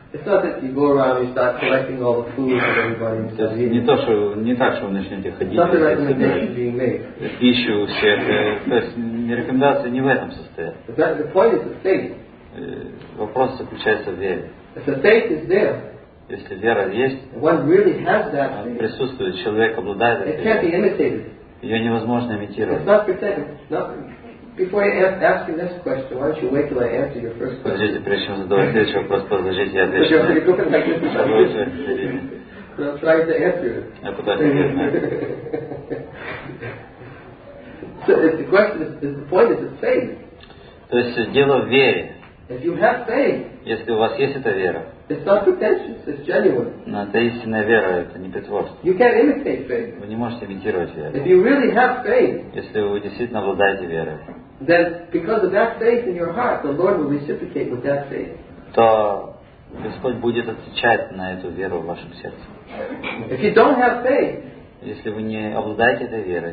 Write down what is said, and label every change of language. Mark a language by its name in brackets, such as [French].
[English] It's not that you go around and start collecting all the food that everybody is eating. [Russian] Не то, что не так, что вы начнете ходить. [English] Not the recommendation being made. [Russian] Пищу всех. То есть не рекомендация не в этом состоит. [English] The point is the faith. [Russian] Вопрос заключается в вере. [English] If the faith is there. [Russian] Если вера есть, [English] one really has that [Russian] присутствует, человек обладает этой верой, ее невозможно имитировать. Подождите, прежде чем задавать следующий вопрос, подождите, я отвечу. Я пытаюсь ответить. То есть дело в вере. [English] If you have faith, [Russian] если у вас есть эта вера, [English] it's not pretentious, it's genuine. [Russian] Но это истинная вера, это не притворство. [English] You can't imitate faith. [Russian] Вы не можете имитировать веру. [English] If you really have faith, [Russian] если вы действительно обладаете верой, [English] then because of that faith in your heart, the Lord will reciprocate with that faith. [Russian] То Господь будет отвечать на эту веру в вашем сердце. [English] If you don't have faith, [Russian] если вы не обладаете этой верой,